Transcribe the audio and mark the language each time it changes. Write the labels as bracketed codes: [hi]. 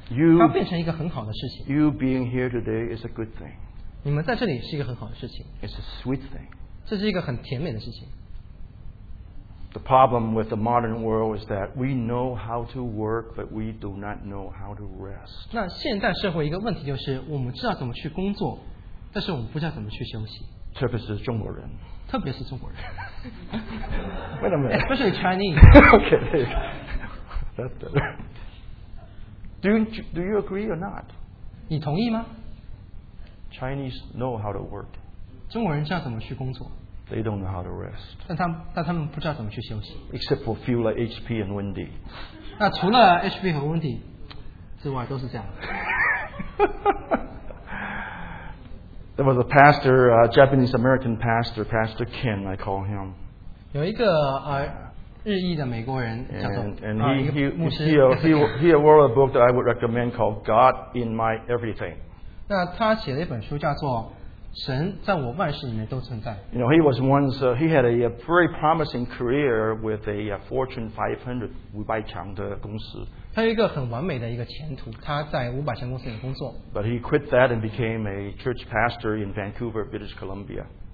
[en] you being here today is a good thing. [zh] 你们在这里是一个很好的事情。 [en] It's a sweet thing. [zh] 这是一个很甜美的事情。 [en] The problem with the modern world is that we know how to work, but we do not know how to rest. [zh] 那现代社会一个问题就是，我们知道怎么去工作，但是我们不知道怎么去休息。特别是中国人。特别是中国人。 [en] Wait a minute. Especially Chinese. Okay. That's better. Do you agree or not? [zh] 你同意吗？ [en] Chinese know how to work. [zh] 中国人知道怎么去工作。 [en] They don't know how to rest. [zh] 但他们不知道怎么去休息。 [en] Except for a few like HP and Wendy. [zh] 那除了HP 和Wendy 之外都是这样的。 [en] There was a pastor, a Japanese-American pastor, Pastor Ken, I call him. [zh] 有一个, 日裔的美国人, 叫做, [en] and he wrote a book that I would recommend called God in My Everything. [zh] 那他写了一本书叫做 [en] You know, he was once, he had a very promising career with a Fortune 500 [zh] 500强的公司. 他有一个很完美的一个前途，他在500强公司里工作。 [en] But he quit that and became a church pastor in Vancouver, British Columbia.